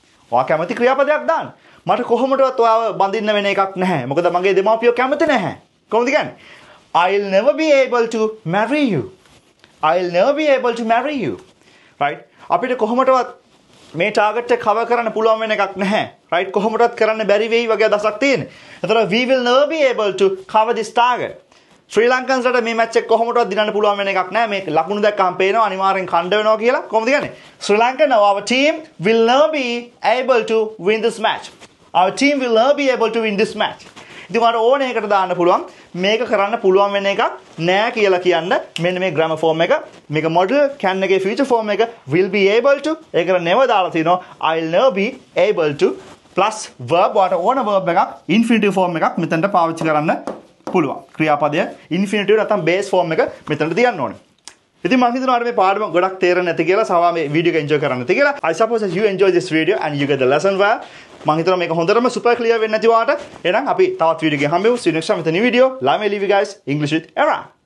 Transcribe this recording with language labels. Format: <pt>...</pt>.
<si>ඔයා කැමති ක්‍රියාපදයක් දාන්න මට කොහොමටවත් ඔයාව බඳින්න වෙන එකක් නැහැ මොකද මගේ දෙමාපියෝ කැමති නැහැ කොහොමද කියන්නේ</si> <en>I'll never be able to marry you I'll never be able to marry you right</en> <si>අපිට කොහොමටවත් මේ ටාගට් එක කව කරන්න පුළුවන් වෙන එකක් නැහැ right කොහොමදවත් කරන්න බැරි වෙයි වගේ දසක් තියෙන.</si> <en>එතන we will never be able to cover this target.</en> <si>ශ්‍රී ලංකන්සට මේ මැච් එක කොහොමදවත් දිනන්න පුළුවන් වෙන එකක් නැහැ. මේ ලකුණු දැක්කම පේනවා අනිවාර්යෙන් ඛණ්ඩ වෙනවා කියලා. කොහොමද කියන්නේ?</si> <en>Sri Lankan our team will never be able to win this match. Our team will never be able to win this match.</en> <si>ඉතින් මට ඕන එකට දාන්න පුළුවන් මේක කරන්න පුළුවන් වෙන එකක් නැහැ කියලා කියන්න. මෙන්න මේ grammar form එක.</si> <en>මේක model can එකේ future form එක will be able to. ඒකට never</en> <si>දාලා තිනවා</si> <en>I'll never be able to.</en> <si>Plus verb what one verb එකක් infinitive form එකක් මෙතනට පාවිච්චි කරන්න පුළුවන් ක්‍රියාපදය infinitive නැත්නම් base form එක මෙතනට තියන්න ඕනේ ඉතින් මම හිතනවා මේ පාඩම ගොඩක් තේරෙන්නේ නැති කියලා සවා මේ වීඩියෝ එක enjoy කරන්න තියෙලා</si> <en>I suppose as you enjoy this video and you get the lesson well</en> <si>මම හිතනවා මේක හොඳටම super clear වෙන්නේ නැති වාට එහෙනම් අපි තවත් වීඩියෝ එකක් හම්බෙමු</si> <en>see you next time with a new video love you guys english with era</en>